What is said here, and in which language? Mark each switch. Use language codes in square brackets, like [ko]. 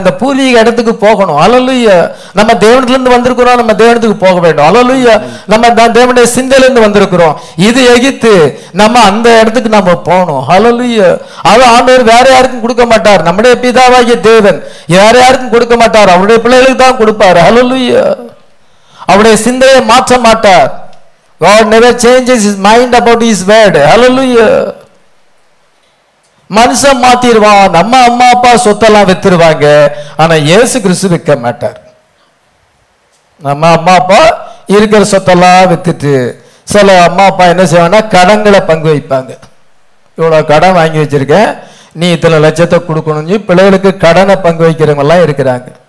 [ta] அந்த பூர்வீக இடத்துக்கு போகணும். அல்லேலூயா. நம்ம தேவனத்துல இருந்து வந்திருக்கிறோம், நம்ம தேவனத்துக்கு போக வேண்டும். அல்லேலூயா. நம்ம தேவனுடைய சிந்தையில இருந்து வந்திருக்கிறோம். இது எகிப்து, நம்ம அந்த இடத்துக்கு நம்ம போகணும். அல்லேலூயா. அது ஆண்டவர் வேற யாருக்கும் கொடுக்க மாட்டார். நம்முடைய பிதாவாகிய தேவன் வேற யாருக்கும் கொடுக்க மாட்டார். அவருடைய பிள்ளைகளுக்கு தான் கொடுப்பார். அல்லேலூயா. அவருடைய சிந்தையை மாற்ற மாட்டார். [en] God never changes his mind about his word. Hallelujah. [ta] மனுஷன் மாத்திடுவான், நம்ம அம்மா அப்பா சொத்தெல்லாம் வித்துருவாங்க, ஆனா இயேசு கிறிஸ்து விற்க மாட்டார். நம்ம அம்மா அப்பா இருக்கிற சொத்தெல்லாம் வித்துட்டு சில அம்மா அப்பா என்ன செய்வாங்கன்னா கடன்களை பங்கு வைப்பாங்க. இவ்வளவு கடன் வாங்கி வச்சிருக்கேன், நீ இத்தனை லட்சத்தை கொடுக்கணும்னு பிள்ளைகளுக்கு கடனை பங்கு வைக்கிறவங்க எல்லாம் இருக்கிறாங்க.